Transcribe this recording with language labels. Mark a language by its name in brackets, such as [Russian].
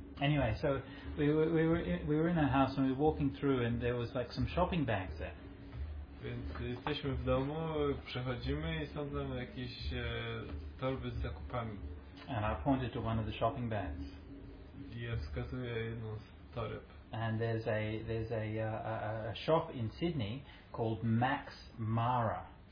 [English] Anyway, so we were in our house and we were walking through and there was like some shopping bags there. [Polish] Więc jesteśmy w domu, przechodzimy i są tam jakieś torby z zakupami. [English] And I pointed to one of the shopping bags. [Polish] I ja wskazuję jedną z toreb. [English] And there's a shop in Sydney called Max Mara.